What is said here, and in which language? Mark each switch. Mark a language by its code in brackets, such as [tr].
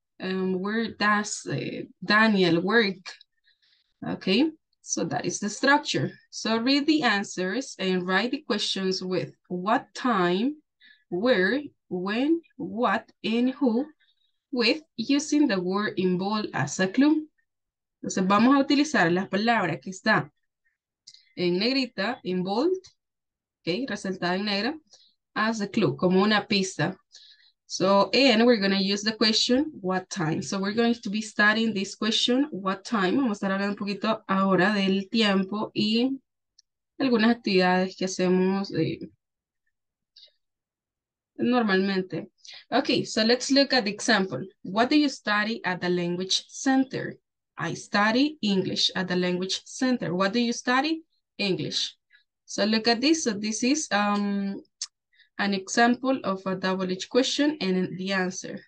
[en] Where does Daniel work? Okay, so that is the structure. So read the answers and write the questions with what time, where, when, what, and who, with using the word involved as a clue. [es] Entonces vamos a utilizar las palabras que están en negrita, involved, okay, resaltada en negra, [en] as a clue, [es] como una pista. [en] So, and we're going to use the question, what time? So we're going to be studying this question, what time? [es] Vamos a estar hablando un poquito ahora del tiempo y algunas actividades que hacemos normalmente. [en] Okay, so let's look at the example. What do you study at the language center? I study English at the language center. What do you study? English. So look at this. So this is... an example of a double H question and the answer.